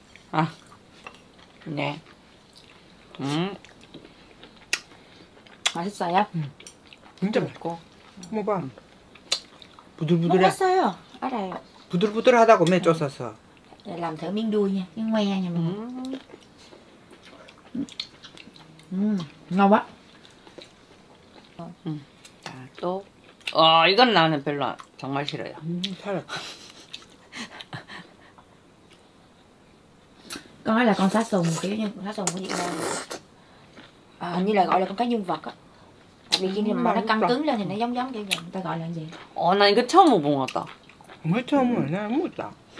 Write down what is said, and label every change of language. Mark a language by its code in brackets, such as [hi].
[ko] 아, 네. 맛있어요? 진짜 맛있고. 먹어봐. 부들부들해. 먹었어요. 알아요. 부들부들하다고 맨 쪼서서. [vi] làm thử miếng đuôi nha, miếng que nha mọi người. Ngon quá. [ko] 자, 또. 아, 이건 나는 별로 정말 싫어요. 살아. [vi] Con ấy là con sá sùng kiểu như con sá sùng của Việt Nam. À, hình như là gọi là con cá dương vật á. Tại vì khi mà nó căng cứng lên thì nó giống giống kiểu người ta gọi là gì. Ồ, này cái chôm một bụng hả ta? Không phải chôm một bụng hả ta?